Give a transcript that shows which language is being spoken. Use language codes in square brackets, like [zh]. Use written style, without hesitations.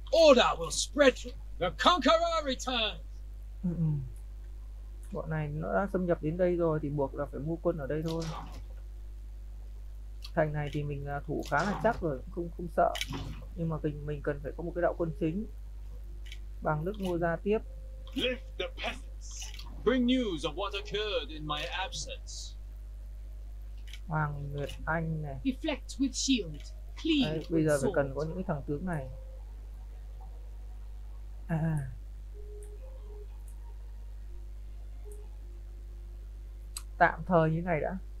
[en] Order will spread. The conqueror returns. [vi] Bọn này nó đã xâm nhập đến đây rồi thì buộc là phải mua quân ở đây thôi. Thành này thì mình thủ khá là chắc rồi, không sợ. Nhưng mà mình cần phải có một cái đạo quân chính. Bằng đức mua ra tiếp. [en] Lift the peasants. Bring news of what occurred in my absence. [vi] Hoàng Nguyệt Anh này. [en] Reflect with shield. Clean. [vi] Đấy, bây giờ phải cần có những thằng tướng này. À. Tạm thời như này đã.